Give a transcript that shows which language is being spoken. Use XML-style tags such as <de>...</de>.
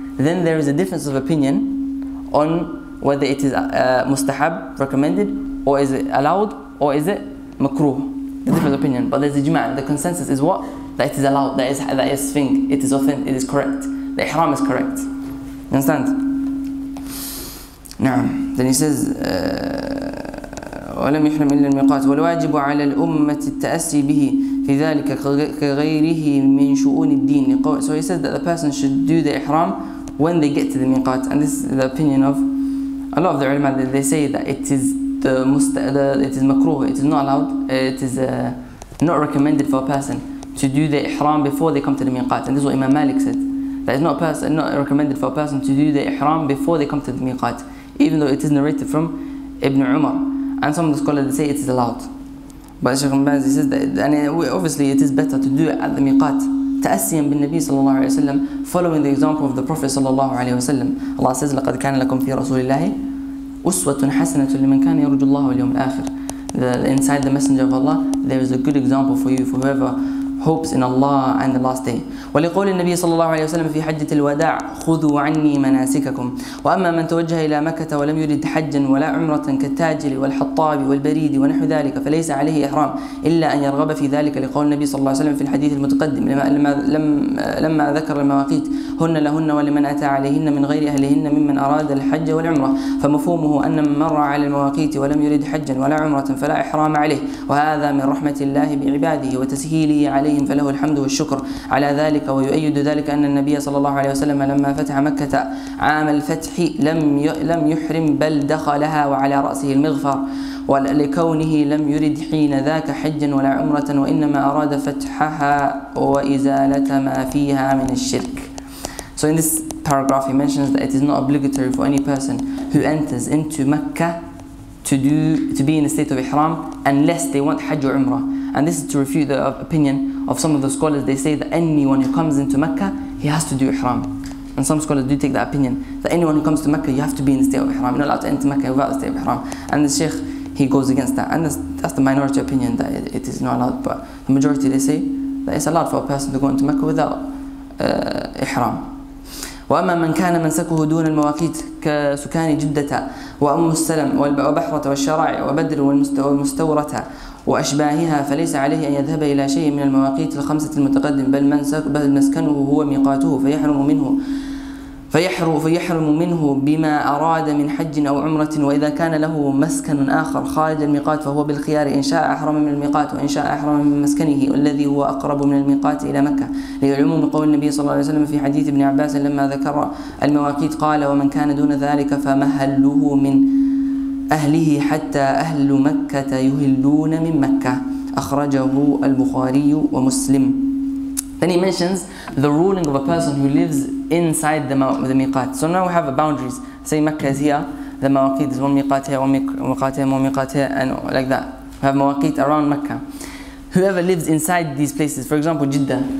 <en>Then there is a difference of opinion on whether it is mustahab, recommended, or is it allowed, or is it makruh. The difference of opinion. But there's ijma', the consensus is what? That it is allowed, that is thing, it is authentic, it is correct. The ihram is correct. You understand? Na'am. Then he says,</en> <ar>ولم يحرم إلا الميقات والواجب على الأمة التأسي به في ذلك كغيره من شؤون الدين.</ar> <en>So he says that the person should do the ihram when they get to the miqat. And this is the opinion of a lot of the ulama, that they say that it is makruh, it is not allowed, it is not recommended for a person to do the ihram before they come to the miqat. And this is what Imam Malik said, that it's not recommended for a person to do the ihram before they come to the miqat, even though it is narrated from Ibn Umar. And some of the scholars, they say it is allowed. But Sheikh Ibn Baz, he says that, and obviously it is better to do it at the miqat.</en> <ar>Ta'asiyan bin Nabi sallallahu alayhi wa sallam,</ar> <en>following the example of the Prophet sallallahu alayhi wa sallam. Allah says,</en> <ar>لَقَدْ كَانَ لَكُمْ فِي رَسُولِ اللَّهِ أُسْوَةٌ حَسَنَةٌ لِمَنْ كَانَ يَرُجُ اللَّهُ وَالْيَوْمِ الْآخِرِ.</ar> <en>Inside the Messenger of Allah, there is a good example for you, for whoever hopes in Allah and the last day.</en> <ar>ولقول النبي صلى الله عليه وسلم في حجة الوداع خذوا عني مناسككم وأما من توجه إلى مكة ولم يرد حجا ولا عمرة كالتاجر والحطاب والبريد ونحو ذلك فليس عليه إحرام إلا أن يرغب في ذلك لقول النبي صلى الله عليه وسلم في الحديث المتقدم لما ذكر المواقيت هن لهن ولمن أتى عليهن من غير أهلهن ممن أراد الحج والعمرة فمفهومه أن من مر على المواقيت ولم يرد حجا ولا عمرة فلا إحرام عليه وهذا من رحمة الله بعباده وتسهيله عليه عليهم فله الحمد والشكر على ذلك ويؤيد ذلك أن النبي صلى الله عليه وسلم لما فتح مكة عام الفتح لم يحرم بل دخلها وعلى رأسه المغفر ولكونه لم يرد حين ذاك حجا ولا عمرة وإنما أراد فتحها وإزالة ما فيها من الشرك.</ar> <en>So in this paragraph he mentions that it is not obligatory for any person who enters into Mecca to be in a state of ihram unless they want Hajj or Umrah. And this is to refute the opinion of some of the scholars. They say that anyone who comes into Mecca, he has to do ihram. And some scholars do take that opinion, that anyone who comes to Mecca, you have to be in the state of ihram. You're not allowed to enter Mecca without the state of ihram. And the Sheikh, he goes against that. And that's the minority opinion, that it is not allowed. But the majority, they say that it's allowed for a person to go into Mecca without ihram.</en> <ar>وأما من كان منسكه دون المواقيت كسكان جدة وأم السلم وبحرة والشراع وبدر والمستورة وأشباهها فليس عليه أن يذهب إلى شيء من المواقيت الخمسة المتقدم بل مسكنه هو ميقاته فيحرم منه بما أراد من حج أو عمرة وإذا كان له مسكن آخر خارج الميقات فهو بالخيار إن شاء أحرم من الميقات وإن شاء أحرم من مسكنه الذي هو أقرب من الميقات إلى مكة لعموم قول النبي صلى الله عليه وسلم في حديث ابن عباس لما ذكر المواقيت قال ومن كان دون ذلك فمهله من أهله حتى أهل مكة يهلون من مكة أخرجه البخاري ومسلم.</ar> <en>Then he mentions the ruling of a person who lives inside the miqat. So now we have a boundaries. Say Mecca is here, the mawaqid is one miqat here, one miqat here, one miqat here, and like that. We have mawaqid around Mecca. Whoever lives inside these places, for example, Jeddah.</en>